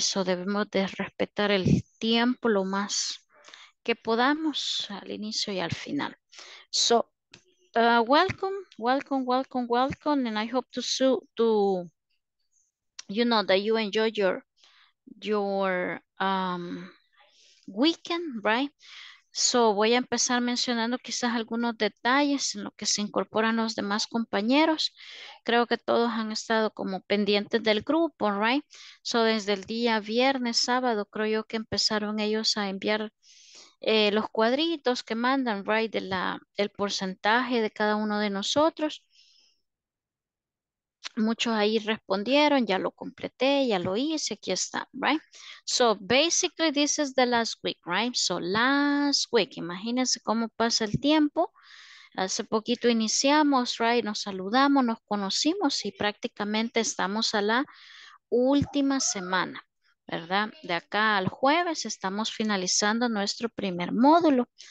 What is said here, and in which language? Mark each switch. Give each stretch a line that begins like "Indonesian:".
Spanish: So, debemos de respetar el tiempo lo más que podamos al inicio y al final.
English: So, welcome, welcome, welcome, welcome, and I hope to you know that you enjoy your weekend, right?
Spanish: So, voy a empezar mencionando quizás algunos detalles en lo que se incorporan los demás compañeros. Creo que todos han estado como pendientes del grupo, right? So, desde el día viernes, sábado, creo yo que empezaron ellos a enviar los cuadritos que mandan, right, el porcentaje de cada uno de nosotros. Muchos ahí respondieron, ya lo completé, ya lo hice, aquí está, right?
English: So, basically, this is the last week, right? So, last week,
Spanish: imagínense cómo pasa el tiempo. Hace poquito iniciamos, right, nos saludamos, nos conocimos y prácticamente estamos a la última semana, ¿verdad? De acá al jueves estamos finalizando nuestro primer módulo.